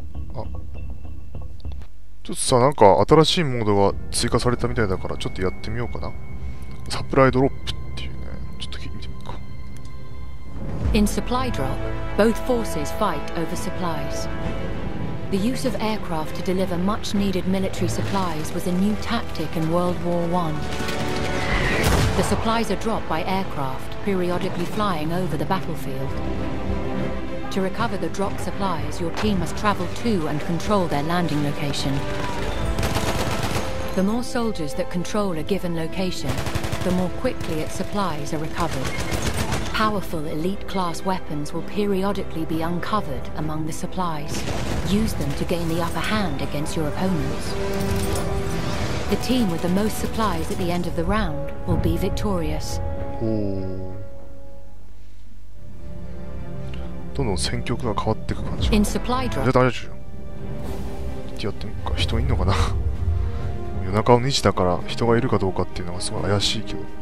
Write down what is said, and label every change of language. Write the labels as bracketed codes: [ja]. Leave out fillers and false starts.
[ja] ちょっとさ、なんか新しいモードが追加されたみたいだから、ちょっとやってみようかな。サプライドロップっていうね、ちょっと聞いてみるか。 [en] In supply drop, both forces fight over supplies. The use of aircraft to deliver much needed military supplies was a new tactic in World War I. The supplies are dropped by aircraft, periodically flying over the battlefield. To recover the dropped supplies, your team must travel to and control their landing location. The more soldiers that control a given location, the more quickly its supplies are recovered. Powerful elite class weapons will periodically be uncovered among the supplies. Use them to gain the upper hand against your opponents. The team with the most supplies at the end of the round will be victorious. [ja] どんどん戦局が変わっていく感じ。 [en] In supply drop. [ja] じゃあ大丈夫。行ってやってみるか。人いんのかな。夜中の2時だから人がいるかどうかっていうのがすごい怪しいけど。